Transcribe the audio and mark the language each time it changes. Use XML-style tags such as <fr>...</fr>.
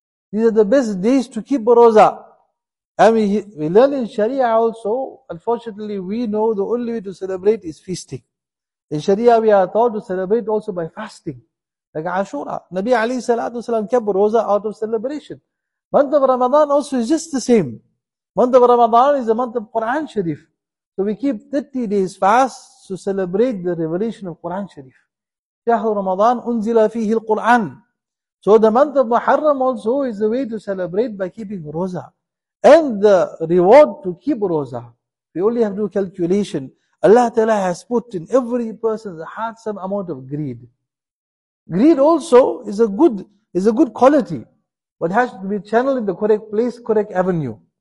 <en>These are the best days to keep roza. And we learn in Sharia also, unfortunately we know the only way to celebrate is feasting. In Sharia we are taught to celebrate also by fasting. Like Ashura, Nabi alayhi salatu wasalam kept roza out of celebration. Month of Ramadan also is just the same. Month of Ramadan is the month of Quran Sharif. So we keep 30 days fast to celebrate the revelation of Quran Sharif.</en> <ar>شهر رمضان أنزل فيه القرآن.</ar> <en>So the month of Muharram also is the way to celebrate by keeping roza. And the reward to keep roza, we only have to do calculation. Allah Ta'ala has put in every person's heart some amount of greed. Greed also is a good quality, but has to be channeled in the correct place, correct avenue.</en>